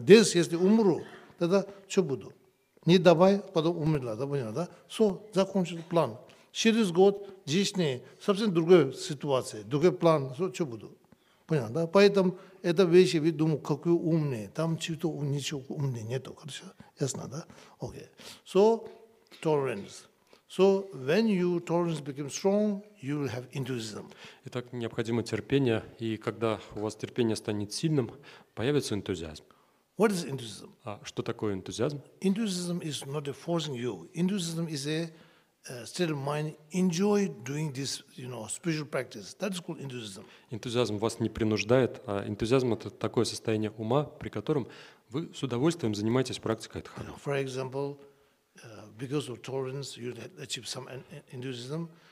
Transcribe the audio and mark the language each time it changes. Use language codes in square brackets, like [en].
[ru] Здесь, если умру, тогда что буду? Не давай, потом умерла, да, понятно, да? Все, закончил план. Через год, здесь совсем другая ситуация, другой план, что буду. Понятно, да? Поэтому это вещи, вы думаете, какой умный, там чего-то ничего умного нету, хорошо? Ясно, да? Окей. [en] So, tolerance. So, when your tolerance becomes strong, you will have enthusiasm. [ru] Итак, необходимо терпение, и когда у вас терпение станет сильным, появится энтузиазм. [en] What is enthusiasm? [ru] Что такое энтузиазм? [en] Enthusiasm is not a forcing you. Enthusiasm is a still mind enjoy doing this, you know, spiritual practice. That is called enthusiasm. [ru] Энтузиазм вас не принуждает, а энтузиазм это такое состояние ума, при котором вы с удовольствием занимаетесь практикой дхармы. [en] For example, because of tolerance, you achieve some enthusiasm.